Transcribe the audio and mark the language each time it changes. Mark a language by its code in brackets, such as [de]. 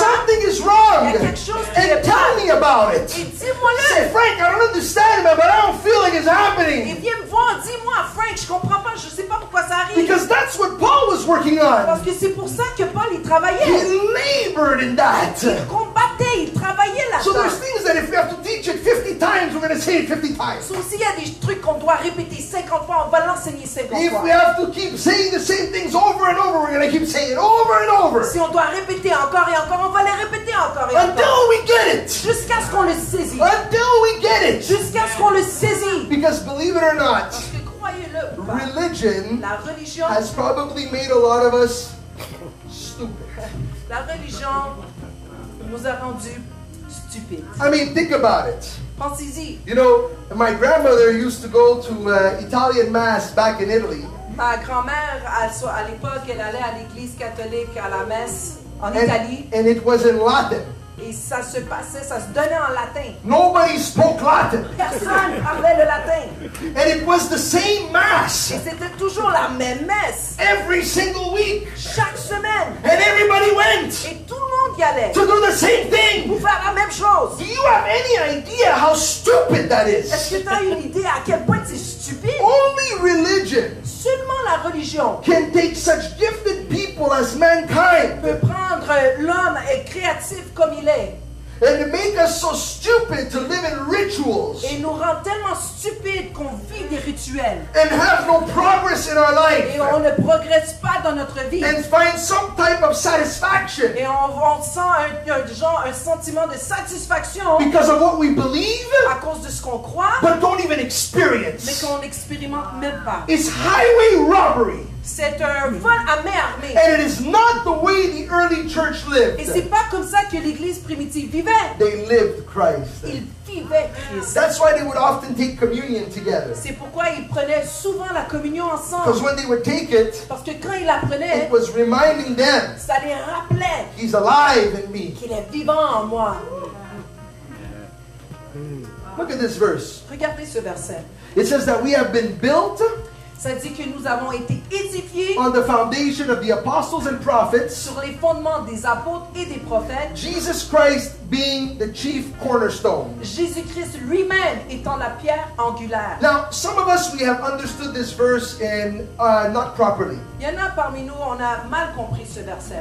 [en] something is wrong. [fr] Il y a quelque chose qui [en] and tell [fr] pas. [en] Me about it. [fr] Et dis-moi-le. [en] Say, Frank, I don't understand. But I don't feel like it's happening. [fr] Et viens me voir, dis-moi, Frank, je comprends pas, je sais pas pourquoi ça arrive. [en] Because that's what Paul was working on. [fr] Parce que c'est pour ça que Paul y travaillait. [en] He labored in that. [fr] Il combattait, il travaillait là-dedans. [en] So there's things that if we have to teach it 50 times, we're going to say it 50 times. [fr] So s'il y a des trucs qu'on doit répéter 50 fois, on va l'enseigner 50 [en] if [fr] fois. [en] If we have to keep saying the same things over and over, we're going to keep saying it over and over. [fr] Si on doit répéter encore et encore, on va les répéter encore et [en] until [fr] encore. [en] Until we get it. [fr] Jusqu'à ce qu'on le saisit. [en] Until we get it. [fr] Jusqu'à ce qu'on le saisit. [en] Because believe it or not, religion has probably made a lot of us stupid. [fr] La religion nous a rendus stupides. [en] I mean, think about it. [fr] Pensez-y. [en] You know, my grandmother used to go to Italian mass back in Italy. [fr] Ma grand-mère, à l'époque, elle allait à l'église catholique à la messe en Italie. [en] And it was in Latin. [fr] Et ça se passait, ça se donnait en latin. [en] Nobody spoke Latin. [fr] Personne parlait le latin. [en] And it was the same mass. [fr] Et c'était toujours la même messe. [en] Every single week. [fr] Chaque semaine. [en] And everybody went. [fr] Et tout le monde y allait. [en] To do the same thing. [fr] Pour faire la même chose. [en] Do you have any idea how stupid that is? [fr] Est-ce que tu as une idée à quel point c'est stupide? [en] Only religion. [fr] Seulement la religion. [en] Can take such gifted people as mankind. [fr] Peut prendre l'homme et créatif comme il est. [en] And make us so stupid to live in rituals. [fr] Et nous rend tellement stupides qu'on vit des rituels. [en] And have no progress in our life. [fr] Et on ne progresse pas dans notre vie. [en] And find some type of satisfaction. [fr] Et on sent un sentiment de satisfaction. [en] Because of what we believe. [fr] À cause de ce qu'on croit. [en] But don't even experience. [fr] Mais qu'on n'expérimente même pas. [en] It's highway robbery. [fr] C'est un vol à main armée. [en] And it is not the way the early church lived. [fr] Et c'est pas comme ça que l'église primitive vivait. [en] They lived Christ. [fr] Ils vivaient Christ. [en] That's why they would often take communion together. [fr] C'est pourquoi ils prenaient souvent la communion ensemble. [en] Because when they would take it, [fr] parce que quand ils la prenaient, [en] it was reminding them, [fr] ça les rappelait, [en] he's alive in me, [fr] qu'il est vivant en moi. [en] Look at this verse. [fr] Regardez ce verset. [en] It says that we have been built. [fr] Ça dit que nous avons été édifiés [en] on the foundation of the apostles and prophets, [fr] sur les fondements des apôtres et des prophètes, [en] Jesus Christ being the chief cornerstone. [fr] Jésus-Christ lui-même étant la pierre angulaire. [en] Now, some of us, we have understood this verse in not properly. [fr] Il y en a parmi nous, on a mal compris ce verset.